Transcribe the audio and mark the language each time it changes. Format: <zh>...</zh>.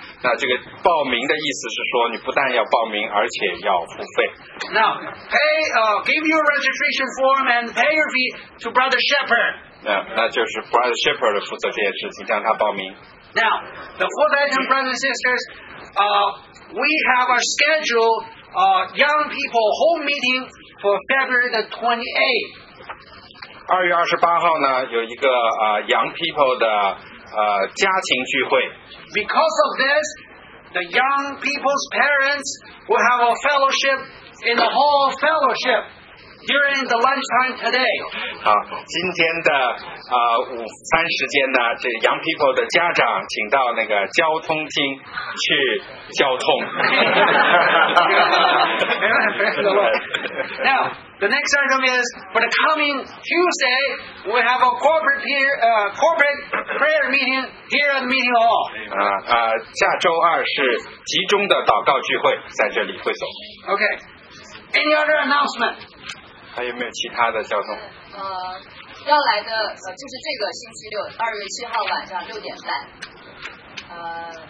<zh>那这个报名的意思是说，你不但要报名，而且要付费。</zh> <en>Now pay, give your registration form and pay your fee to Brother Shepherd.</en> <zh>那就是 Brother Shepherd 负责这件事情，让他报名。</zh> <en>Now the fourth item, brothers and sisters, we have a schedule, young people home meeting for February the 28th.</en> <zh>二月二十八号呢，有一个</zh> <en>young people</en> <zh>的家庭聚会。</zh> <en>Because of this, the young people's parents will have a fellowship in the hall of fellowship during the lunchtime today.</en> <zh>好，今天的午餐时间呢，这</zh> <en>young people</en> <zh>的家长请到那个交通厅去交通。</zh> <en>Now. The next item is for the coming Tuesday, we have a corporate, corporate prayer meeting here at the meeting hall.</en> <zh>下周二是集中的祷告聚会，在这里会所。</zh> <en>Okay. Any other announcement?</en> <zh>还有没有其他的交通？要来的就是这个星期六，二月七号晚上六点半。</zh>